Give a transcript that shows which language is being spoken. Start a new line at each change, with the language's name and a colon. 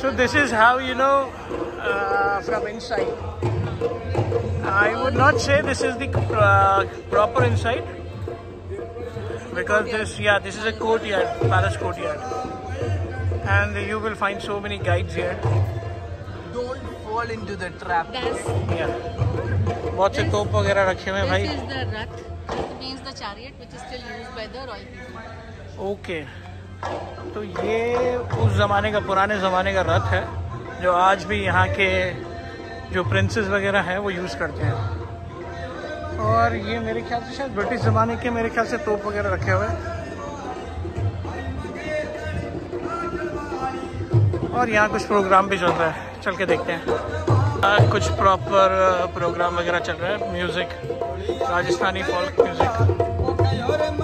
English: So this is how you know from inside. I would not say this is the proper inside, because this is a courtyard, palace courtyard, and you will find so many guides here. Don't fall into the trap. Yes. Yeah.
Hindi: बहुत से तोप वगैरह रखे हुए हैं भाई.
English: This is the rat. It means the chariot which is still used by the royal people.
Hindi: Okay तो ये उस जमाने का पुराने जमाने का रथ है जो आज भी यहाँ के जो प्रिंसेस वगैरह हैं वो यूज़ करते हैं और ये मेरे ख्याल से शायद ब्रिटिश जमाने के मेरे ख्याल से तोप वगैरह रखे हुए हैं और यहाँ कुछ प्रोग्राम भी चल रहा है चल के देखते हैं कुछ प्रॉपर प्रोग्राम वगैरह चल रहा है म्यूज़िक राजस्थानी फोक म्यूज़िक